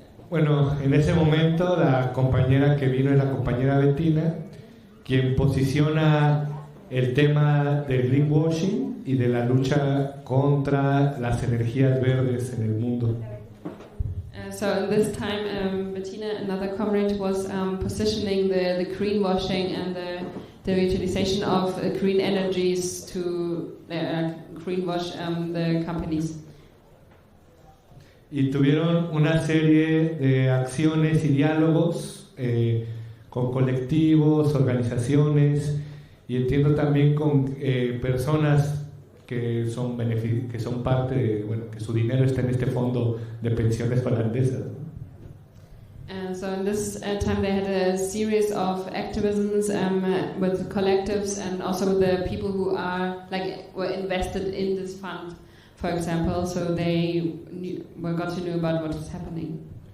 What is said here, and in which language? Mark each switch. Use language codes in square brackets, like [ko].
[es] Bueno, en ese momento la compañera que vino es la compañera Bettina, quien posiciona el tema del greenwashing y de la lucha contra las energías verdes en el mundo. [en] So in this time, Bettina, another comrade, was positioning the greenwashing and the utilization of green energies to greenwash the companies. [es] Y tuvieron una serie de acciones y diálogos con colectivos, organizaciones, y entiendo también con personas que son parte de, bueno, que su dinero está en este fondo de pensiones holandesas. [en] So in this time they had a series of activisms with collectives and also with the people who are like were invested in this fund, for example, so they got to know about what is happening.